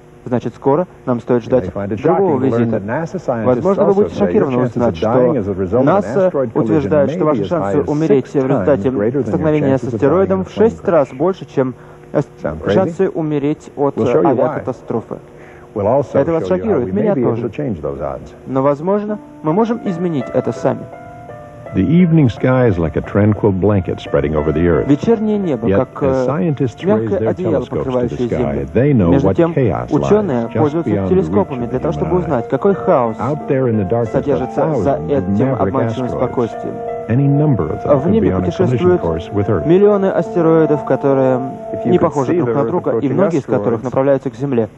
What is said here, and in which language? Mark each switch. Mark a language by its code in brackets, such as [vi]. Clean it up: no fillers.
[ru] Значит, скоро нам стоит ждать другого визита. Возможно, вы будете шокированы узнать, что НАСА утверждает, что ваши шансы умереть в результате столкновения с астероидом в 6 раз больше, чем шансы умереть от авиакатастрофы. Это вас шокирует, меня тоже. Но, возможно, мы можем изменить это сами. [en] The evening sky is like a tranquil blanket spreading over the earth. [ru] Вечернее небо, как мягкое одеяло, покрывающее землю. Между тем, ученые пользуются телескопами для того, чтобы узнать, какой хаос содержится за этим обманчивым спокойствием. В небе путешествуют миллионы астероидов, которые не похожи друг на друга, и многие из которых направляются к Земле.